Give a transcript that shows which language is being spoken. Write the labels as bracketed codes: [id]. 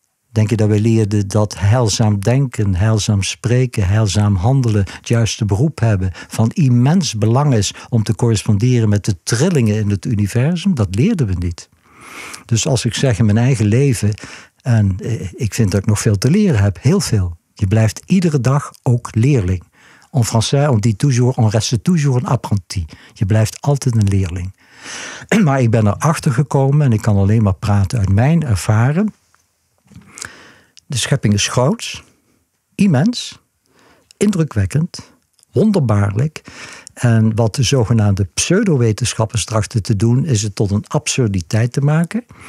[nl] Denk je dat wij leerden dat heilzaam denken, heilzaam spreken, heilzaam handelen, het juiste beroep hebben, van immens belang is om te corresponderen met de trillingen in het universum? Dat leerden we niet. Dus als ik zeg in mijn eigen leven, en ik vind dat ik nog veel te leren heb, heel veel. Je blijft iedere dag ook leerling. [fr] En français, on dit toujours, on reste toujours un apprenti. [nl] Je blijft altijd een leerling. Maar ik ben erachter gekomen en ik kan alleen maar praten uit mijn ervaren. De schepping is groot, immens, indrukwekkend, wonderbaarlijk. En wat de zogenaamde pseudowetenschappers trachten te doen, is het tot een absurditeit te maken.